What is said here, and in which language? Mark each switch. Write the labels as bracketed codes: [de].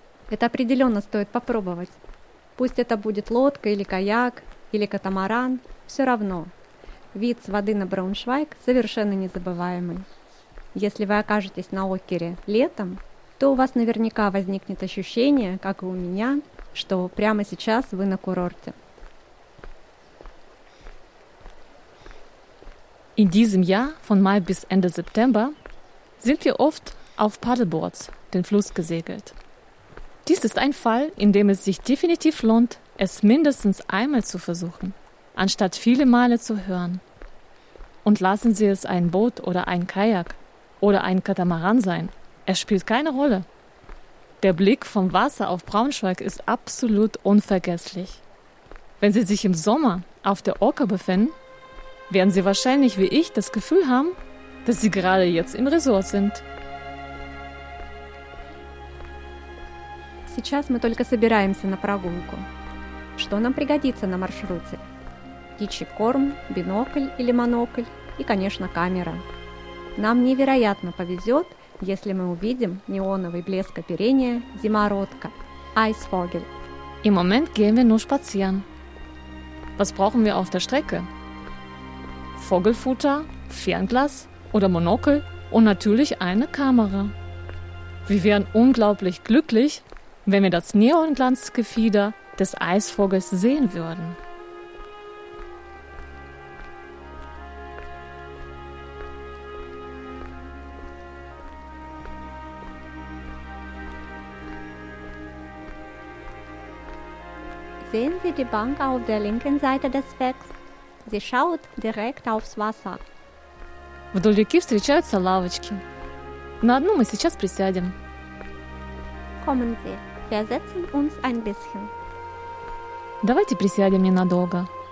[ru] Это определенно стоит попробовать. Пусть это будет лодка или каяк, или катамаран, все равно. Вид с воды на Брауншвайг совершенно незабываемый. Если вы окажетесь на Окере летом, то у вас наверняка возникнет ощущение, как и у меня, что прямо сейчас вы на курорте. [de] In diesem Jahr, von Mai bis Ende September, sind wir oft auf Paddleboards den Fluss gesegelt. Dies ist ein Fall, in dem es sich definitiv lohnt, es mindestens einmal zu versuchen, anstatt viele Male zu hören. Und lassen Sie es ein Boot oder ein Kajak oder ein Katamaran sein. Es spielt keine Rolle. Der Blick vom Wasser auf Braunschweig ist absolut unvergesslich. Wenn Sie sich im Sommer auf der Oker befinden, werden Sie wahrscheinlich wie ich das Gefühl haben, dass Sie gerade jetzt im Resort sind. [ru] Сейчас мы только собираемся на прогулку. Что нам пригодится на маршруте? Птичий корм, бинокль или монокль и, конечно, камера. Нам невероятно повезет, если мы увидим неоновый блеск оперения зимородка, айсфогель. [de] Im Moment gehen wir nur spazieren. Was brauchen wir auf der Strecke? Vogelfutter, Fernglas oder Monokel und natürlich eine Kamera. Wir wären unglaublich glücklich, wenn wir das Neonglanzgefieder des Eisvogels sehen würden. Sehen Sie die Bank auf der linken Seite des Wegs? Sie schaut direkt aufs Wasser. [ru] Вдоль реки встречаются лавочки. На одну мы сейчас присядем. [de] Kommen Sie, wir setzen uns ein bisschen. [ru] Давайте присядем ненадолго.